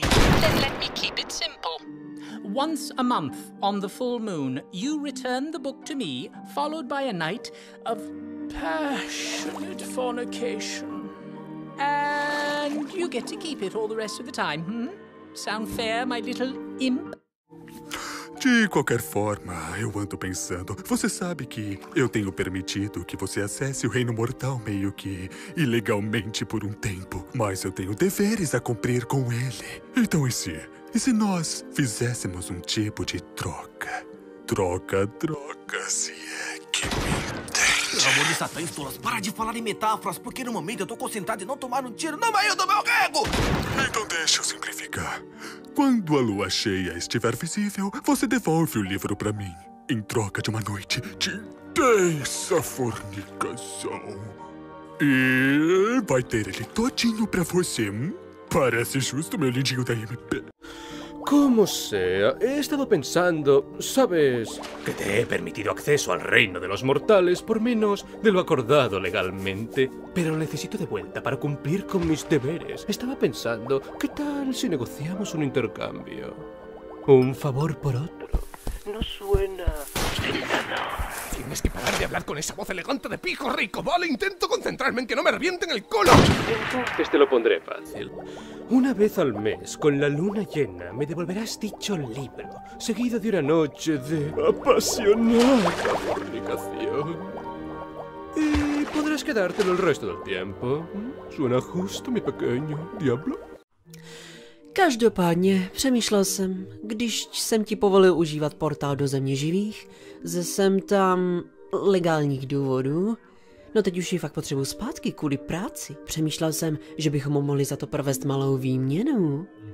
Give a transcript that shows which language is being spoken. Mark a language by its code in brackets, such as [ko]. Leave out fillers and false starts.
[en] Then let me keep it simple. Once a month, on the full moon, you return the book to me, followed by a night of passionate fornication. And you get to keep it all the rest of the time, hmm? Sound fair, my little imp? [pt] De qualquer forma, eu ando pensando. Você sabe que eu tenho permitido que você acesse o Reino Mortal meio que ilegalmente por um tempo. Mas eu tenho deveres a cumprir com ele. Então e se? E se nós fizéssemos um tipo de troca? Troca, se é que me entende. Pelo amor de Satã, Estolas, para de falar em metáforas, porque no momento eu tô concentrado em não tomar um tiro na manhã do meu rego! Então deixa eu simplificar. Quando a lua cheia estiver visível, você devolve o livro pra mim, em troca de uma noite de intensa fornicação. E vai ter ele todinho pra você, hein? Parece justo, meu lindinho da MP. [es] Como sea, he estado pensando, ¿sabes? Que te he permitido acceso al reino de los mortales por menos de lo acordado legalmente. Pero necesito de vuelta para cumplir con mis deberes. Estaba pensando, ¿qué tal si negociamos un intercambio? Un favor por otro. No suena... Tienes que parar de hablar con esa voz elegante de pijo rico, ¿vale? Intento concentrarme en que no me revienten el culo. Entonces te lo pondré fácil. Una vez al mes, con la luna llena, me devolverás dicho libro, seguido de una noche de apasionada fornicación. Y podrás quedártelo el resto del tiempo. ¿Suena justo, mi pequeño diablo? [cs] Každopádně, přemýšlel jsem, když jsem ti povolil užívat portál do země živých, ze sem tam legálních důvodů. No teď už ji fakt potřebuji zpátky kvůli práci. Přemýšlel jsem, že bychom mohli za to provést malou výměnu.